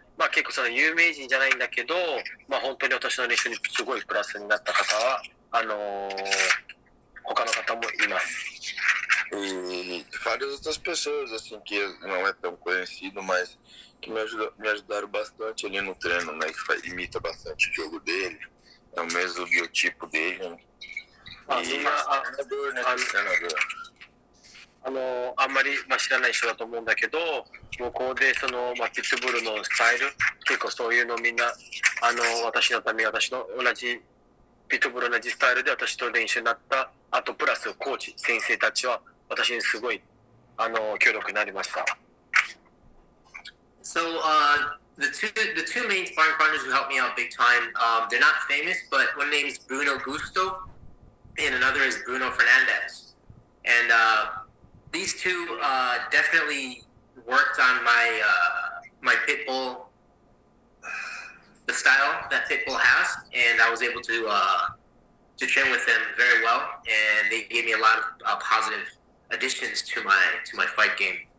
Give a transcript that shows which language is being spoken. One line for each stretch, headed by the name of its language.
Japanese: まあ、結構その有名人じゃないんだけど、まあ、本当に私の練習にすごいプラスになった方は、他の方もいます。
Portuguese: Várias outras pessoas, assim, que não é tão conhecido, mas que me ajudaram bastante ali no treino, né? Que imita bastante o jogo dele, é o mesmo biotipo dele.
Japanese: あんまり、まあ、知らない人だと思うんだけど、向こうでその、まあ、ピットブルのスタイル、結構そういうのみんな、私のため、私の同じピットブル同じスタイルで私と練習になった、あとプラスコーチ、先生たちは私にすごい協力になりました。
English: So, the two main sparring partners who helped me out big time, they're not famous, but one name is Bruno Gusto, and another is Bruno Fernandez. And, these two definitely worked on my my pit bull, the style that pit bull has, and I was able to train with them very well, and they gave me a lot of positive additions to my fight game.